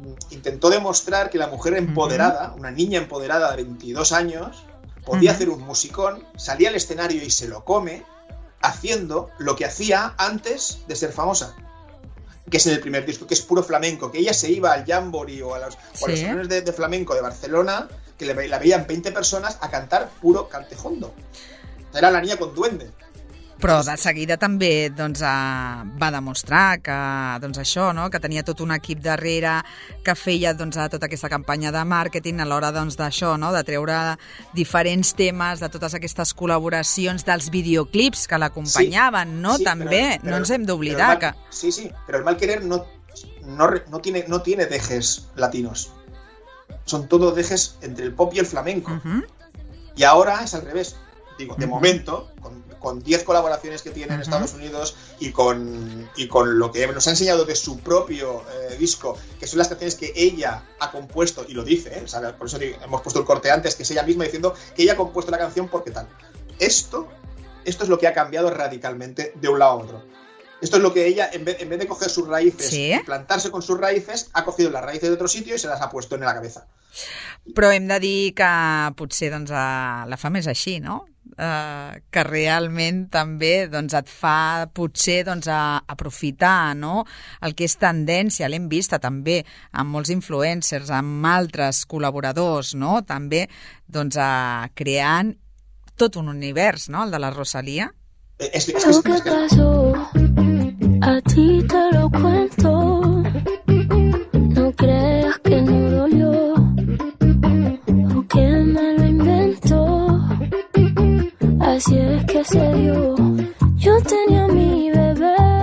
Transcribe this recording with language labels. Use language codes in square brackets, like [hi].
[es] intentó demostrar que la mujer empoderada, uh-huh, una niña empoderada de 22 años, podía, uh-huh, hacer un musicón, salía al escenario y se lo come haciendo lo que hacía antes de ser famosa, que es en el primer disco, que es puro flamenco, que ella se iba al Jamboree o a los salones de flamenco de Barcelona, que la veían 20 personas a cantar puro cantejondo. Era la niña con duende. [ca] Però de seguida també, doncs, va demostrar que, doncs, això, no? Que tenia tot un equip darrere, que feia, doncs, tota aquesta campanya de màrqueting a l'hora, doncs, d'això, no? De treure diferents temes, de totes aquestes col·laboracions, dels videoclips que l'acompanyaven, sí, no? Sí, també, però no ens hem d'oblidar. [es] Sí, sí, però el mal querer no tiene dejes latinos. Son todos dejes entre el pop y el flamenco. Uh-huh. Y ahora es al revés. Digo, de, uh-huh, momento, con 10 colaboraciones que tiene, uh-huh, en Estados Unidos y con lo que nos ha enseñado de su propio disco, que son las canciones que ella ha compuesto, y lo dice, ¿sabes? Por eso hemos puesto el corte antes, que es ella misma diciendo que ella ha compuesto la canción porque tal. Esto es lo que ha cambiado radicalmente de un lado a otro. Esto es lo que ella, en vez de coger sus raíces, ¿sí?, plantarse con sus raíces, ha cogido las raíces de otro sitio y se las ha puesto en la cabeza. [ca] Però hem de dir que potser, doncs, la fama és així, no? Que realment també, doncs, et fa potser, doncs, aprofitar, no?, el que és tendència. L'hem vista també amb molts influencers, amb altres col·laboradors, no?, també, doncs, creant tot un univers, no?, el de la Rosalía. [es] Lo que pasó, a ti te lo cuento. No creas que no dolió o que me lo inventó. Así es que se dio. Yo tenía mi bebé.